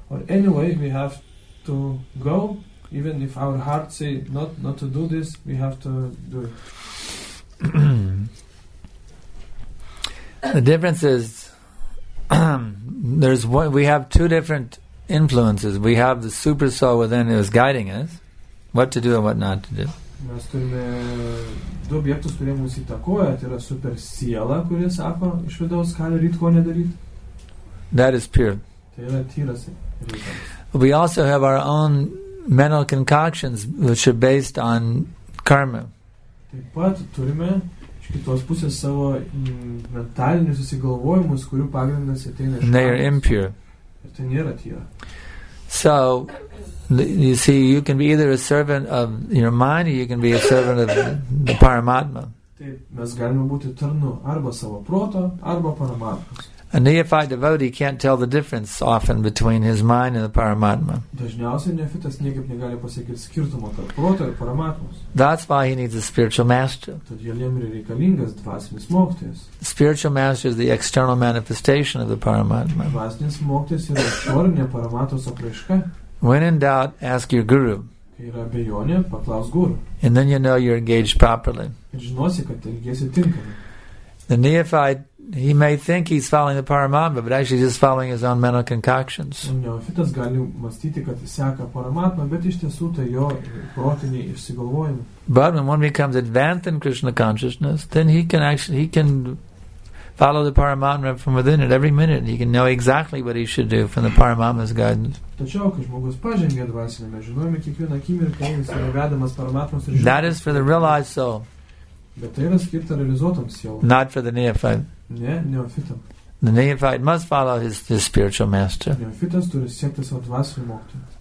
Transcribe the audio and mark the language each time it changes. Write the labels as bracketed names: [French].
[English] Or anyway, we have to go. Even if our heart say not to do this, we have to do it. The difference is, there's one, we have two different influences. We have the super soul within who is guiding us, what to do and what not to do. [Lithuanian] Mes turime du objektus, kurie mus įtakoja. Tai yra super siela, kuri sako iš vidaus, ką daryt, ko nedaryt. [English] That is pure. [Lithuanian] Tai yra tyras. [English] We also have our own mental concoctions, which are based on karma. [Lithuanian] Taip pat turime iš kitos pusės savo mentalinius susigalvojimus, kurių pagrindas ateina iš karmos. [English] They are impure. [Lithuanian] Ir tai nėra tyra. [English] So, you see, you can be either a servant of your mind, or you can be a servant of the Paramatma. [Lithuanian] Mes galime būti tarnu arba savo proto, arba Paramatmos. [English] A neophyte devotee can't tell the difference often between his mind and the Paramatma. [Lithuanian] Dažniausiai neofitas niekaip negali pasakyti skirtumo tarp proto ir Paramatmos. [English] That's why he needs a spiritual master. [Lithuanian] Todėl jam yra reikalingas dvasinis mokytojas. [English] Spiritual master is the external manifestation of the Paramatma. [Lithuanian] Dvasinis mokytojas yra išorinė Paramatmos apraiška. [English] When in doubt, ask your guru. [Lithuanian] Kai yra abejonė, paklaus guru. [English] And then you know you're engaged properly. [Lithuanian] Ir žinosi, kad elgiesi tinkamai. [English] The neophyte, he may think he's following the Paramatma, but actually just following his own mental concoctions. [Lithuanian] Neofitas gali mąstyti, kad seka Paramatma, bet iš tiesų tai jo protinį išsigalvojimą. [English] But when one becomes advanced in Krishna consciousness, then he can actually, he can follow the Paramatma from within it every minute. He can know exactly what he should do from the Paramatma's guidance. [Lithuanian] Tačiau, kai žmogus pažengia dvasinėme, žinojame kiekvieną akimirką, jis yra vedamas Paramatmos. [English] That is for the realized soul. [Lithuanian] Bet tai yra skirta realizuotam sielui. [English] Not for the neophyte. [Lithuanian] Ne, neofitam. [English] The neophyte must follow his spiritual master. [Lithuanian] Neofitas turi siekti savo dvasinį mokytoją.